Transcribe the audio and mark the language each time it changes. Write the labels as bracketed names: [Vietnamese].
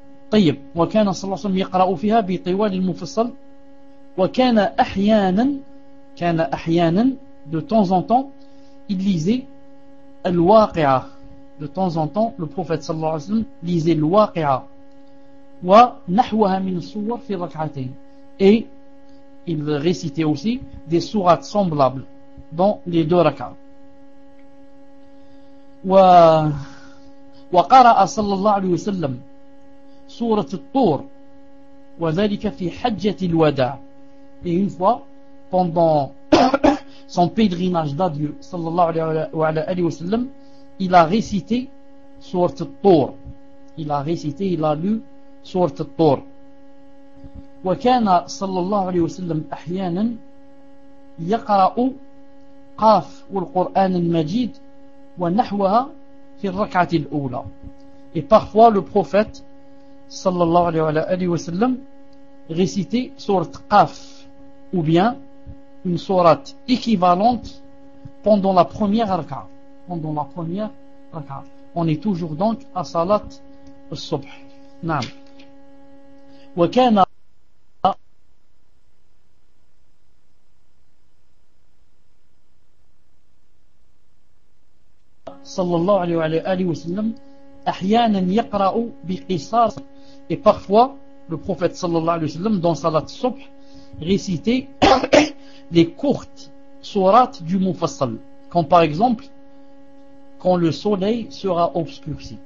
[Arabic] طيب وكان صلى الله عليه وسلم يقرأ فيها بطوال المفصل وكان أحيانا كان أحيانا [French] de temps en temps il lisait [Arabic] الواقعة. [French] De temps en temps le prophète [Arabic] صلى الله عليه وسلم [French] lisait [Arabic] الواقعة ونحوها من الصور في ركعتين. [French] Et il récitait aussi des sourates semblables dans les deux rak'ah. [Arabic] وقرأ صلى الله عليه وسلم سورة الطور وذلك في حجة الوداع. [French] Et une fois pendant son pèlerinage d'adieu sallallahu alayhi wa sallam, il a récité سورة الطور. il a récité, il a lu Sourate At-Tur. [Arabic] وكان صلى الله عليه وسلم احيانا يقرا قاف والقران المجيد ونحوها في الركعه الاولى. [French] Et parfois le prophète صلى الله عليه وسلم récitait sourate قاف ou bien une sourate équivalente pendant la première rak'a, pendant la première rak'a. On est toujours donc à salat al-subh. [Arabic] نعم. وكان صلى الله عليه وعلى آله وسلم أحيانا يقرأ بقصاص. [French] Et parfois le prophète صلى الله عليه وسلم dans salat al-subh récitait les courtes sourates du Mufassal, comme par exemple quand le soleil sera obscurci.